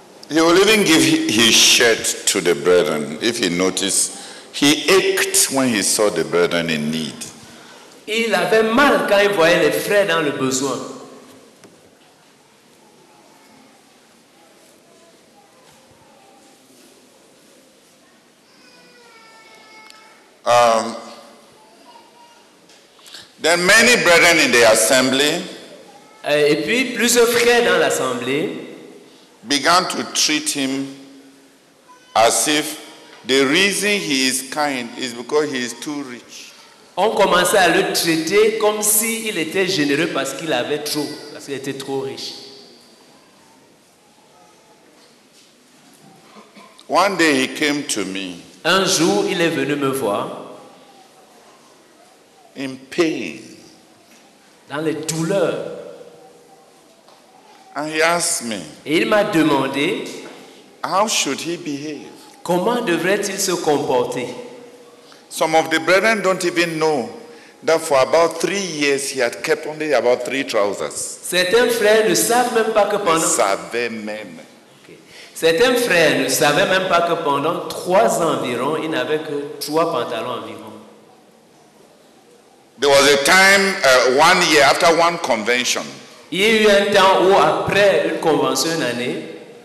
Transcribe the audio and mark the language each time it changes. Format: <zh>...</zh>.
<en>He will even give his shirt to the brethren if he noticed he ached when he saw the brethren in need.</en> <fr>Il avait mal quand il voyait les frères dans le besoin.</fr> <en>Then many brethren in the assembly.</en> <fr>Et puis plusieurs frères dans l'assemblée.</fr> <en>Began to treat him as if the reason he is kind is because he is too rich.</en> <fr>On commençait à le traiter comme si il était généreux parce qu'il avait trop, parce qu'il était trop riche.</fr> <en>One day he came to me.</en> <fr>Un jour, il est venu me voir.</fr> <en>In pain.</en> <fr>Dans les douleurs.</fr> <en>And he asked me,</en> <fr>et il m'a demandé,</fr> <en>how should he behave?</en> <fr>Comment devrait-il se comporter?</fr> <en>Some of the brethren don't even know that for about 3 years he had kept only about 3 trousers.</en> <fr>Certains frères ne savent même pas que pendant. Ils savaient même. Okay. Certains frères ne savaient même pas que pendant 3 ans environ, il n'avait que 3 pantalons environ.</fr> <en>There was a time, 1 year after one convention.</en> <fr>Il y a eu un temps où, après une convention, une année,</fr>